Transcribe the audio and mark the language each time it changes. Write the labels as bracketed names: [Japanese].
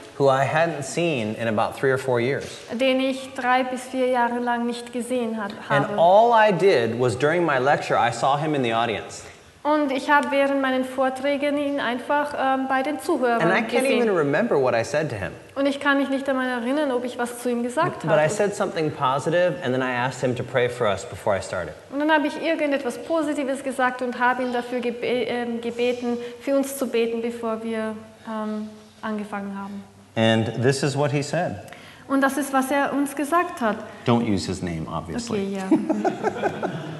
[English] Who I hadn't seen in about 3 or 4 years. [German] Den ich 3 bis 4 Jahre lang nicht gesehen habe. [English] And all I did was during my lecture, I saw him in the audience. [German] Und ich habe während meinen Vorträgen ihn einfach bei den Zuhörern gesehen. [English] And I can't even remember what I said to him. [German] Und ich kann mich nicht einmal erinnern, ob ich was zu ihm gesagt habe. [English] But I said something positive and then I asked him to pray for us before I started. [German] Und dann habe ich irgendetwas Positives gesagt und habe ihn dafür gebeten, für uns zu beten, bevor wir angefangen haben. [English] And this is what he said. [German] Und das ist, was uns gesagt hat. [English] Don't use his name, obviously. Okay, yeah.